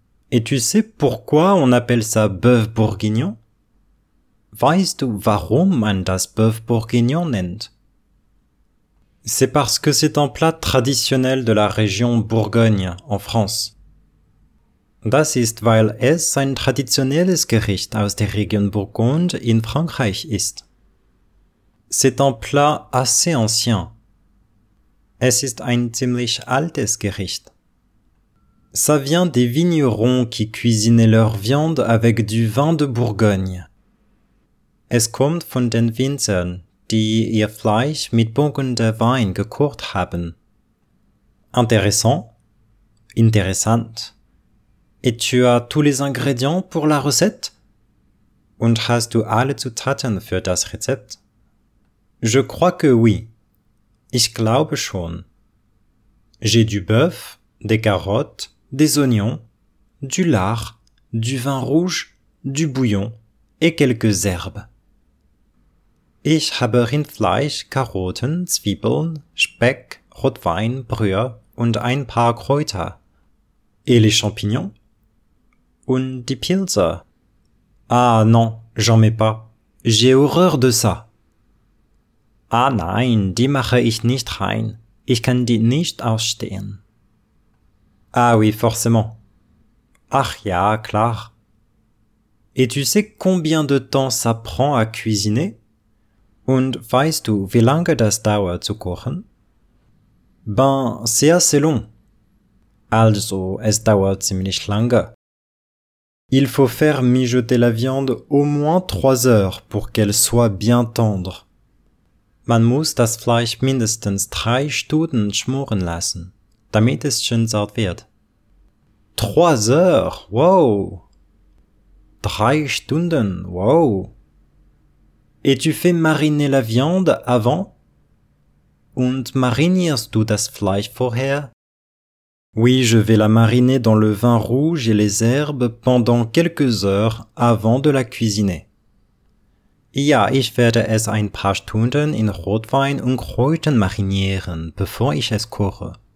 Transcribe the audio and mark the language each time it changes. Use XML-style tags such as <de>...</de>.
<fr>Et tu sais pourquoi on appelle ça bœuf bourguignon?</fr> <de>Weißt du, warum man das bœuf bourguignon nennt?</de> <fr>C'est parce que c'est un plat traditionnel de la région Bourgogne, en France.</fr> <de>Das ist, weil es ein traditionelles Gericht aus der Region Bourgogne in Frankreich ist.</de> <fr>C'est un plat assez ancien.</fr> <de>Es ist ein ziemlich altes Gericht.</de> <fr>Ça vient des vignerons qui cuisinaient leur viande avec du vin de Bourgogne.</fr> <de>Es kommt von den Winzern, die ihr Fleisch mit Burgunder Wein gekocht haben.</de> <fr>Intéressant.</fr> <de>Interessant.</de> <fr>Et tu as tous les ingrédients pour la recette?</fr> <de>Und hast du alle Zutaten für das Rezept?</de> <fr>Je crois que oui.</fr> <de>Ich glaube schon.</de> <fr>J'ai du bœuf, des carottes, des oignons, du lard, du vin rouge, du bouillon et quelques herbes.</fr> <de>Ich habe Rindfleisch, Karotten, Zwiebeln, Speck, Rotwein, Brühe und ein paar Kräuter.</de> <fr>Et les champignons?</fr> <de>Und die Pilze?</de> <fr>Ah non, j'en mets pas. J'ai horreur de ça.</fr> <de>Ah nein, die mache ich nicht rein. Ich kann die nicht ausstehen.</de> <fr>Ah oui, forcément.</fr> <de>Ach ja, klar.</de> <fr>Et tu sais combien de temps ça prend à cuisiner?</fr> <de>Und weißt du, wie lange das dauert zu kochen?</de> <fr>Ben, c'est assez long.</fr> <de>Also, es dauert ziemlich lange.</de> <fr>Il faut faire mijoter la viande au moins 3 heures pour qu'elle soit bien tendre.</fr> <de>Man muss das Fleisch mindestens 3 Stunden schmoren lassen, damit es schön zart wird.</de> <fr>3 heures, wow!</fr> <de>3 Stunden, wow!</de> <fr>Et tu fais mariner la viande avant?</fr> <de>Und marinierst du das Fleisch vorher?</de> <fr>Oui, je vais la mariner dans le vin rouge et les herbes pendant quelques heures avant de la cuisiner.</fr> <de>Ja, ich werde es ein paar Stunden in Rotwein und Kräutern marinieren, bevor ich es koche.</de>